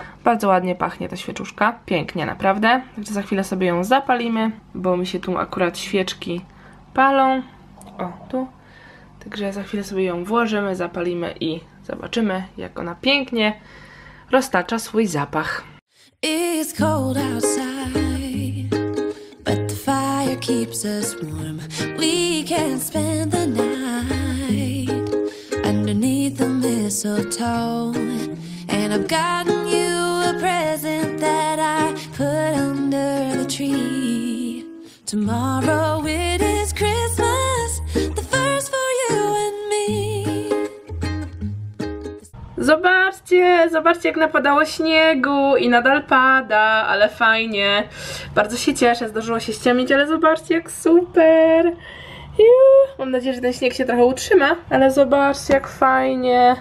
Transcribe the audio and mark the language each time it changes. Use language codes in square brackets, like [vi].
[pl] Bardzo ładnie pachnie ta świeczuszka. Pięknie, naprawdę. Także za chwilę sobie ją zapalimy, bo mi się tu akurat świeczki palą. O, tu. Także za chwilę sobie ją włożymy, zapalimy i zobaczymy, jak ona pięknie roztacza swój zapach. [en] It's cold outside, but the fire keeps us warm. We can spend the night underneath the mistletoe. And I've gotten you a present that I put under the tree. Tomorrow it is Christmas, the first for you and me. [pl] Zobaczcie, zobaczcie jak napadało śniegu i nadal pada, ale fajnie. Bardzo się cieszę, zdarzyło się ściemnić, ale zobaczcie jak super. Mam nadzieję, że ten śnieg się trochę utrzyma, ale zobaczcie jak fajnie.